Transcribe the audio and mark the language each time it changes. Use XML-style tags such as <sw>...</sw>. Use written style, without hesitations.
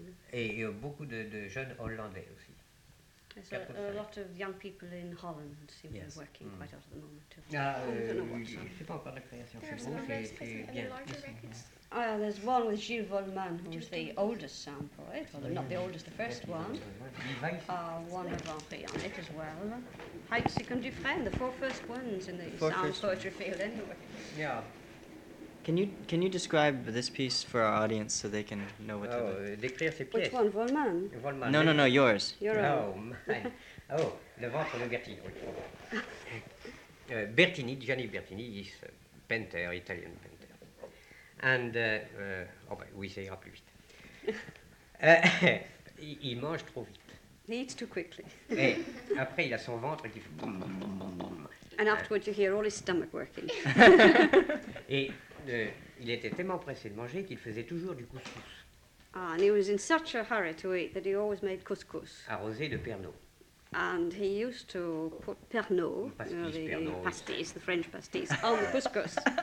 <fr>Et il y a beaucoup de jeunes Hollandais aussi.</fr> <en>A lot of young people in Holland seem to be working quite out at the moment. Too.</en> <fr>C'est pas encore la création.</fr> <en>There's one with Gilles Volman, who is the oldest sound poet, although not the oldest, the first one. One of Henri on it as well. Heitzig and Dufresne, the four first ones in the sound poetry field anyway. Yeah. Can you describe this piece for our audience so they can know what to do?</en> <fr>Décrire ces pièces.</fr> <en>Which one, Volman? Volman. No, yours. Your no, own. Mine. Oh, Le Ventre de Bertini. Bertini, Gianni Bertini, is a painter, Italian painter. And,</en> <fr>ça ira plus vite. Il mange trop vite.</fr> <en>He eats too quickly.</en> <fr>Et après, il a son ventre qui fait...</fr> <en>And afterwards, you hear all his stomach working.</en> <fr>Et... il était tellement pressé de manger qu'il faisait toujours du couscous.</fr> <en>Ah, and he was in such a hurry to eat that he always made couscous.</en> <fr>Arrosé de Pernod.</fr> <en>And he used to put Pernod, pastis, the French pastis, on the couscous.</en>